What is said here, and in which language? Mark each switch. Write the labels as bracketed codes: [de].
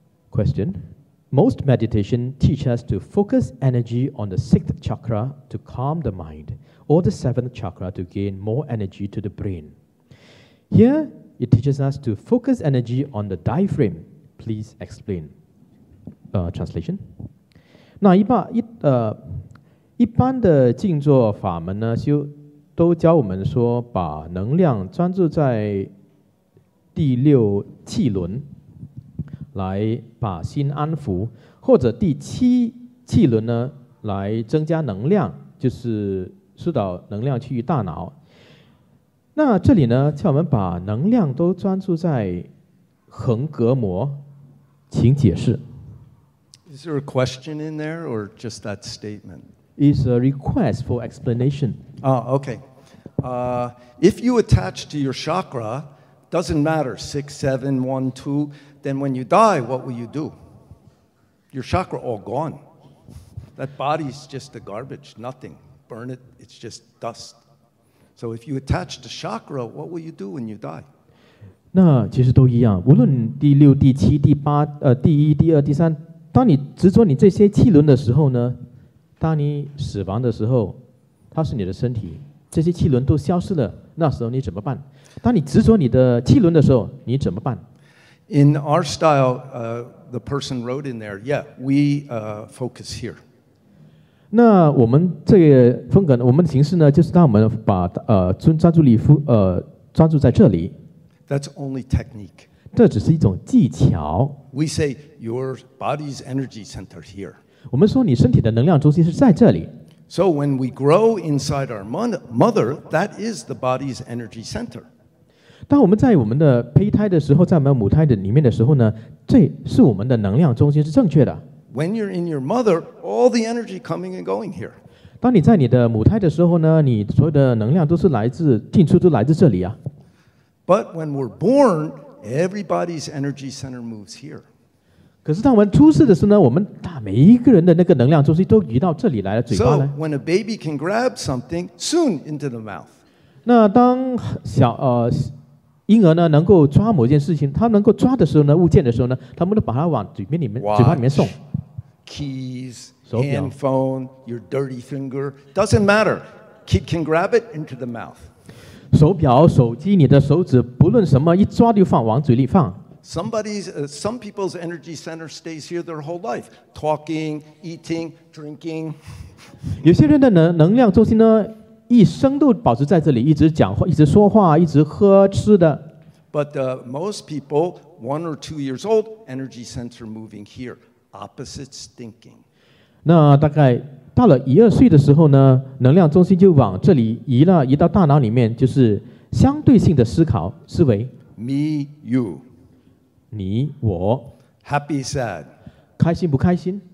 [en] Question: Most meditation teach us to focus energy on the sixth chakra to calm the mind, or the seventh chakra to gain more energy to the brain. Here, it teaches us to focus energy on the diaphragm. Please explain. Translation. [zh] 那一般的静坐法门呢，就都教我们说把能量专注在第六气轮来把心安抚，或者第七气轮呢来增加能量，就是疏导能量去大脑。那这里呢叫我们把能量都专注在横膈膜，请解释。 [en] Is there a question in there or just that statement? It's a request for explanation. Oh, okay. If you attach to your chakra, doesn't matter, 6, 7, 1, 2, then when you die, what will you do? Your chakra all gone. That body's just a garbage, nothing. Burn it, it's just dust. So if you attach to chakra, what will you do when you die? [zh] 那其实都一样，无论第六、第七、第八、第一、第二、第三。当你执着你这些气轮的时候呢，当你死亡的时候，它是你的身体，这些气轮都消失了，那时候你怎么办？当你执着你的气轮的时候，你怎么办？ [en] In our style, the person wrote in there, yeah, we focus here. [zh] 那我们这个风格呢，我们的形式呢，就是当我们把专注力专注在这里。 [en] That's only technique. [zh] 这只是一种技巧。 [en] We say your body's energy center here. [zh] 我们说你身体的能量中心是在这里。 [en] So when we grow inside our mother, that is the body's energy center. [zh] 当我们在我们的胚胎的时候，在我们母胎的里面的时候呢，这是我们的能量中心是正确的。 [en] When you're in your mother, all the energy coming and going here. [zh] 当你在你的母胎的时候呢，你所有的能量都是来自进出都来自这里啊。 [en] But when we're born Everybody's energy center moves here. [zh] 可是当我们出世的时候呢，我们大每一个人的那个能量中心都移到这里来了，嘴巴呢。 [en] So when a baby can grab something, soon into the mouth. [zh] 那当小婴儿呢能够抓某件事情，他能够抓的时候呢，物件的时候呢，他们都把它往嘴边里面、 [en] Watch. [zh] 嘴巴里面送。 [en] Keys, handphone, your dirty finger, doesn't matter. Kid can grab it into the mouth. [zh] 手表、手机、你的手指，不论什么，一抓就放往嘴里放。 [en] Somebody's, some people's energy center stays here their whole life, talking, eating, drinking. [zh] 有些人的能量中心呢，一生都保持在这里，一直讲话，一直说话，一直喝吃的。 [en] But most people, 1 or 2 years old, energy center moving here. Opposite thinking. [zh] 那大概到了一二岁的时候呢，能量中心就往这里移了，移到大脑里面，就是相对性的思考思维。 [en] Me, you. [zh] 你我。 [en] Happy, sad. [zh] 开心不开心。